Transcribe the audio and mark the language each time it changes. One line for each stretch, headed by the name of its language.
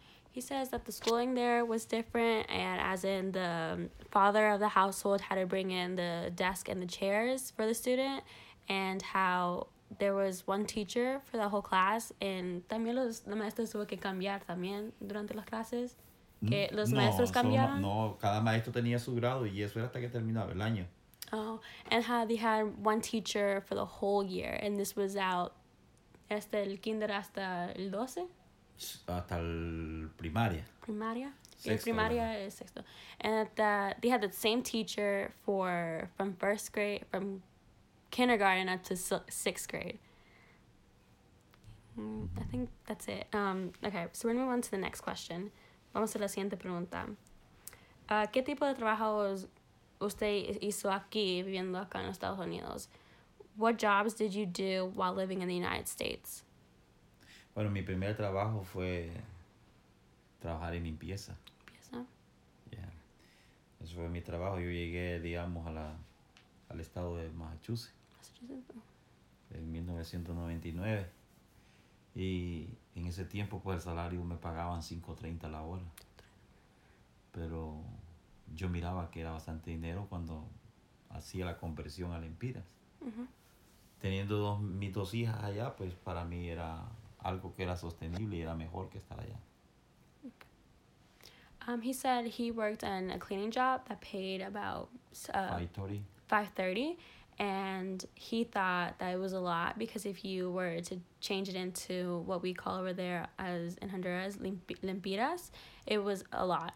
English: He says that the schooling there was different, and as in the father of the household had to bring in the desk and the chairs for the student, and how there was one teacher for the whole class, and también los maestros tuvo que cambiar también durante las clases, que los maestros cambiaron.
Spanish: No, cada maestro tenía su grado, y eso era hasta que terminaba el año.
English: Oh, and how they had one teacher for the whole year, and this was out hasta el kinder hasta el 12?
Spanish: Hasta el primaria. Primaria? Sexto, el primaria es sexto.
English: And that they had the same teacher from first grade, from kindergarten up to sixth grade. I think that's it. Okay, so we're going to move on to the next question.
Spanish: Vamos a la siguiente pregunta. ¿Qué tipo de trabajos usted hizo aquí, viviendo acá en Estados Unidos?
English: What jobs did you do while living in the United States?
Spanish: Bueno, mi primer trabajo fue trabajar en limpieza. ¿Limpieza? Yeah. Eso fue mi trabajo. Yo llegué, digamos, al estado de Massachusetts. En 1999. Y en ese tiempo, pues, el salario me pagaban $5.30 la hora. Pero yo miraba que era bastante dinero cuando hacía la conversión a lempiras. Uh-huh. Teniendo mis dos hijas allá, pues para mí era algo que era sostenible y era mejor que estar allá. Okay.
English: He said he worked in a cleaning job that paid about 5.30. 5.30. And he thought that it was a lot because if you were to change it into what we call over there as in Honduras, lempiras, it was a lot.